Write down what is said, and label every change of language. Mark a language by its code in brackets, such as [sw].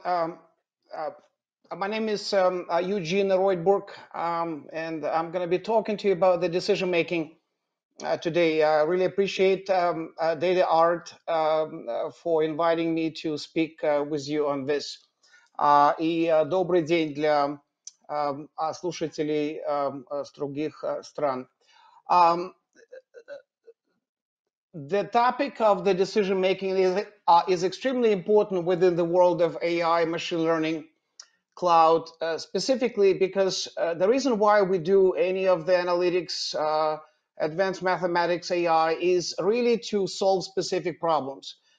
[en] My name is Eugene Roytburg, and I'm going to be talking to you about the decision making today. I really appreciate DataArt for inviting me to speak with you on this. [ru] И добрый день для слушателей с других стран. [en] The topic of the decision making is extremely important within the world of AI, machine learning, cloud, specifically because the reason why we do any of the analytics, advanced mathematics, AI is really to solve specific problems.